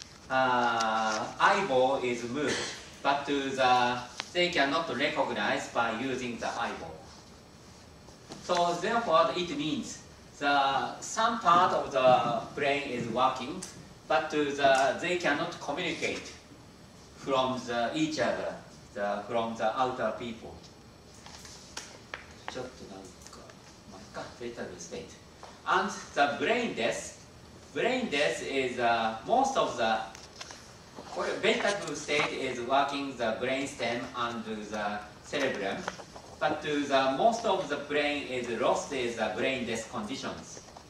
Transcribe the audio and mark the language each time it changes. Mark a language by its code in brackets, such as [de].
[en] Eyeball is moved, but to the, they cannot recognize by using the eyeball. So therefore, it means the, some part of the brain is working, but to the, they cannot communicate from the, each other, the, from the outer people. [ja] ちょっとなんか、まあ、いいか、ベタルステイト。 [en] And the brain death is most of the Vegetative state is working the brainstem and the cerebrum, but the most of the brain is lost in the brain death conditions.